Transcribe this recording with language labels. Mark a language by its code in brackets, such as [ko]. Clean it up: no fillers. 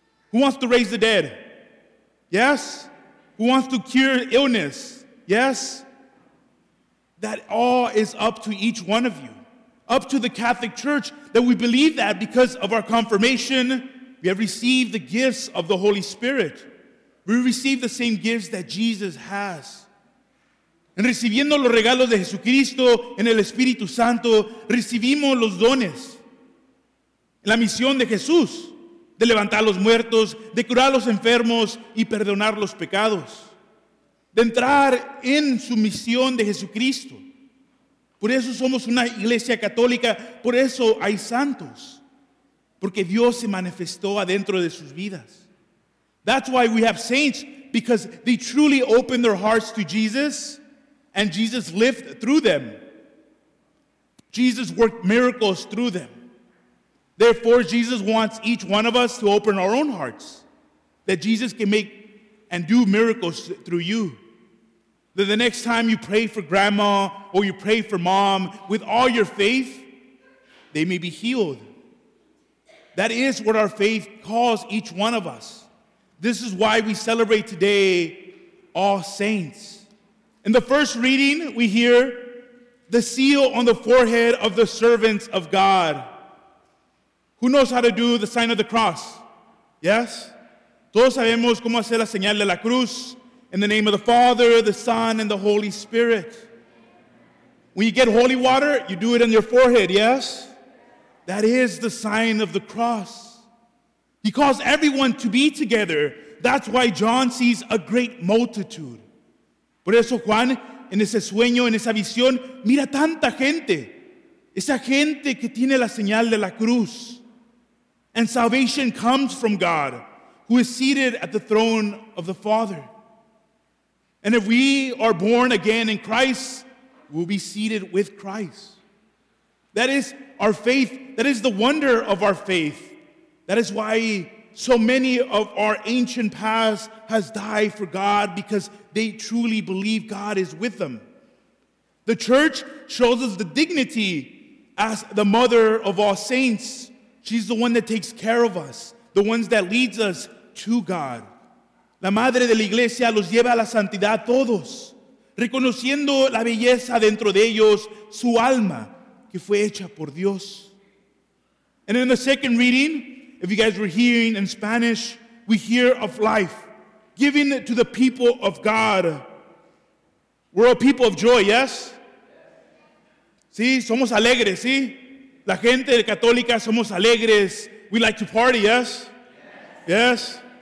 [en] Who wants to raise the dead? Yes? Who wants to cure illness? Yes? That all is up to each one of you. Up to the Catholic Church, that we believe that because of our confirmation, we have received the gifts of the Holy Spirit. We receive the same gifts that Jesus has. [es] En recibiendo los regalos de Jesucristo en el Espíritu Santo, recibimos los dones. La misión de Jesús, de levantar los muertos, de curar los enfermos y perdonar los pecados. De entrar en su misión de Jesucristo. Por eso somos una iglesia católica, por eso hay santos. Porque Dios se manifestó adentro de sus vidas. [en] That's why we have saints, because they truly opened their hearts to Jesus, and Jesus lived through them. Jesus worked miracles through them. Therefore, Jesus wants each one of us to open our own hearts, that Jesus can make and do miracles through you. That the next time you pray for grandma or you pray for mom with all your faith, they may be healed. That is what our faith calls each one of us. This is why we celebrate today All Saints. In the first reading, we hear the seal on the forehead of the servants of God. Who knows how to do the sign of the cross? Yes? [es] Todos sabemos cómo hacer la señal de la cruz. [en] In the name of the Father, the Son, and the Holy Spirit. When you get holy water, you do it on your forehead, yes? That is the sign of the cross. He calls everyone to be together. That's why John sees a great multitude. [es] Por eso Juan, en ese sueño, en esa visión, mira tanta gente. Esa gente que tiene la señal de la cruz. [en] And salvation comes from God, who is seated at the throne of the Father. And if we are born again in Christ, we'll be seated with Christ. That is our faith. That is the wonder of our faith. That is why so many of our ancient past has died for God, because they truly believe God is with them. The church shows us the dignity as the mother of all saints. She's the one that takes care of us, the ones that leads us to God. [es] La madre de la iglesia los lleva a la santidad todos, reconociendo la belleza dentro de ellos, su alma, que fue hecha por Dios. [en] And in the second reading, if you guys were hearing in Spanish, we hear of life given to the people of God. We're a people of joy, yes? [es] Sí, somos alegres, sí? La gente católica somos alegres. [en] We like to party, yes? Yes.